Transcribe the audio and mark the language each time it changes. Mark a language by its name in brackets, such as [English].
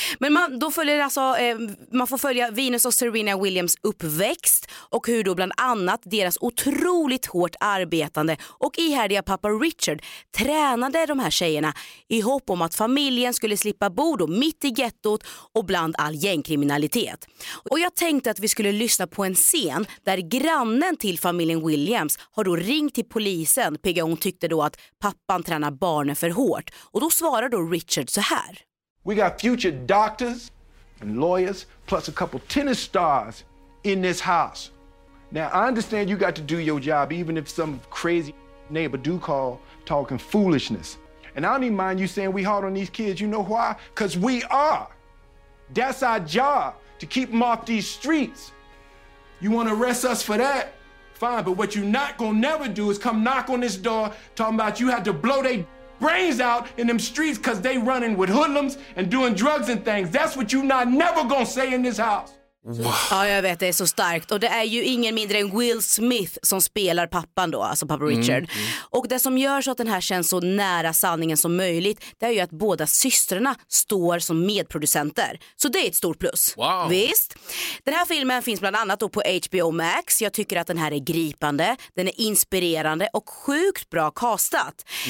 [Swedish] Men man, då följer alltså, man får följa Venus och Serena Williams uppväxt och hur då bland annat deras otroligt hårt arbetande och ihärdiga pappa Richard tränade de här tjejerna i hopp om att familjen skulle slippa bo då mitt i gettot och bland all gängkriminalitet. Och jag tänkte att vi skulle lyssna på en scen där grannen till familjen Williams har då ringt till polisen, Pigga. Hon tyckte då att pappan tränar barnen för hårt. Och då svarar då Richard så här. [English] We got future doctors and lawyers plus a couple tennis stars in this house. Now I understand you got to do your job even if some crazy neighbor do call talking foolishness. And I don't even mind you saying we hard on these kids. You know why? Because we are. That's our job, to keep them off these streets. You want to arrest us for that? Fine, but what you're not going to never do is come knock on this door talking about you had to blow their brains out in them streets because they running with hoodlums and doing drugs and things. That's what you're not never going to say in this house. Wow. [Swedish] Ja, jag vet, det är så starkt. Och det är ju ingen mindre än Will Smith som spelar pappan då, alltså pappa Richard. Och det som gör så att den här känns så nära sanningen som möjligt, det är ju att båda systrarna står som medproducenter. Så det är ett stort plus. [English] Wow. [Swedish] Visst. Den här filmen finns bland annat då på HBO Max. Jag tycker att den här är gripande, den är inspirerande och sjukt bra castat.